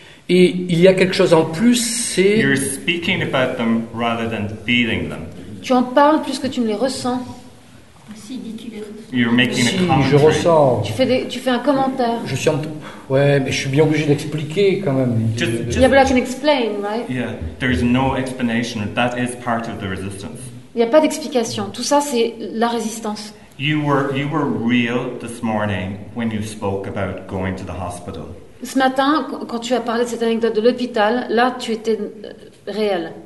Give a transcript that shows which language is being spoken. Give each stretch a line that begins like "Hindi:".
French: Et il y a quelque chose en plus, c'est...
English: You're speaking about them rather than feeling them.
French: Tu en parles plus que tu ne les ressens. Si, dis tu les ressens.
English: You're making
French: si,
English: a commentary.
French: Je ressens. Tu fais un commentaire. Je suis mais je suis bien obligé d'expliquer quand même.
English: Yeah, but I can explain, right? Yeah, there is no explanation. That is part of the resistance.
French: Il n'y a pas d'explication. Tout ça, c'est la résistance.
English: You were real this morning when you spoke about going to the hospital.
French: Ce matin, quand tu as parlé de cette anecdote de l'hôpital, là, tu étais réel.